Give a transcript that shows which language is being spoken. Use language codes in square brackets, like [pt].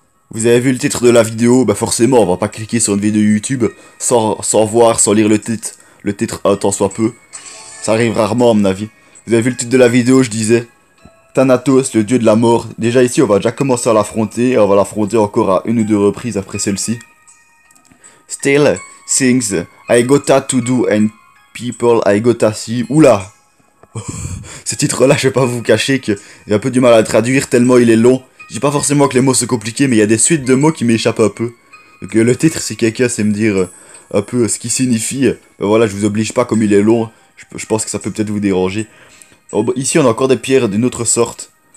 [fr] Vous avez vu le titre de la vidéo? Bah forcément, on va pas cliquer sur une vidéo YouTube sans voir, sans lire le titre un tant soit peu. Ça arrive rarement à mon avis. Vous avez vu le titre de la vidéo, je disais. Thanatos, le dieu de la mort. Déjà ici, on va déjà commencer à l'affronter. On va l'affronter encore à une ou deux reprises après celle-ci. [en] Still, things, I gotta to do and people, I gotta see. Oula! [fr] Ce titre-là, je vais pas vous cacher que j'ai un peu du mal à traduire tellement il est long. Je dis pas forcément que les mots sont compliqués, mais il y a des suites de mots qui m'échappent un peu. Donc le titre, si quelqu'un sait me dire un peu ce qui signifie, ben voilà, je vous oblige pas comme il est long. Je pense que ça peut peut-être vous déranger. Alors, bon, ici, on a encore des pierres d'une autre sorte.